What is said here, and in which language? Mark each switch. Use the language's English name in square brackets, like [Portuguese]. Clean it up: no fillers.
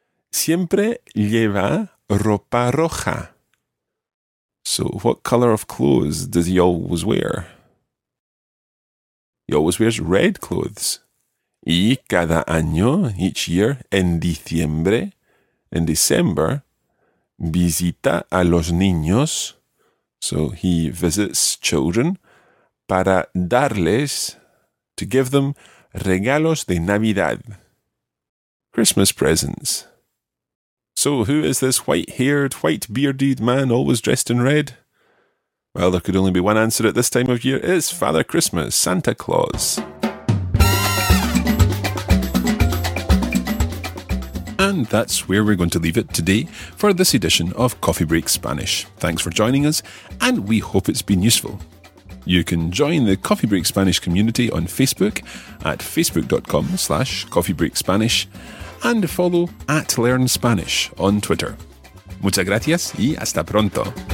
[Spanish] Siempre lleva ropa roja. [English] So what color of clothes does he always wear? He always wears red clothes. [Spanish] Y cada año, [English] each year, [Spanish] en diciembre, [English] in December, [Spanish] visita a los niños. [English] So he visits children [Spanish] para darles, [English] to give them, [Spanish] regalos de Navidad. [English] Christmas presents. So who is this white-haired, white-bearded man always dressed in red? Well, there could only be one answer at this time of year. It's Father Christmas, Santa Claus. And that's where we're going to leave it today for this edition of Coffee Break Spanish. Thanks for joining us, and we hope it's been useful. You can join the Coffee Break Spanish community on Facebook at facebook.com/coffeebreakspanish and follow at Learn Spanish on Twitter. [Spanish] Muchas gracias y hasta pronto.